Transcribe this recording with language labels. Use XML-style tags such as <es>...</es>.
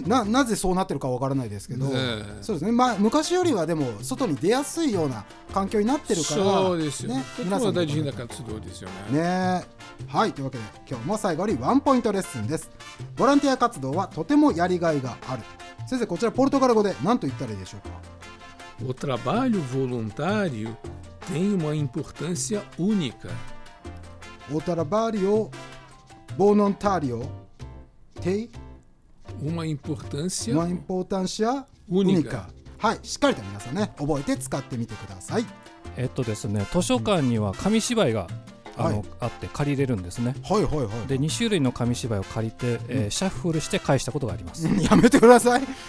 <ja>なぜそうなってるかわからないですけど、そうですね、まあ、昔よりはでも外に出やすいような環境になってるから、そうですよ ね、 ね、皆さん大事な活動ですよ ね、ね。はい、というわけで今日も最後にワンポイントレッスンです。ボランティア活動はとてもやりがいがある。先生、こちらポルトガル語で何と言ったらいいでしょうか。</ja> <pt>O trabalho voluntário tem uma importância única. O trabalho voluntário tem uma importância, única.</pt> <ja>はい、しっかりと皆さんね、覚えて使ってみてください。ですね、図書館には紙芝居が、あって借りれるんですね。はいはいはい。で、2種類の紙芝居を借りて、シャッフルして返したことがあります。やめてください。</ja>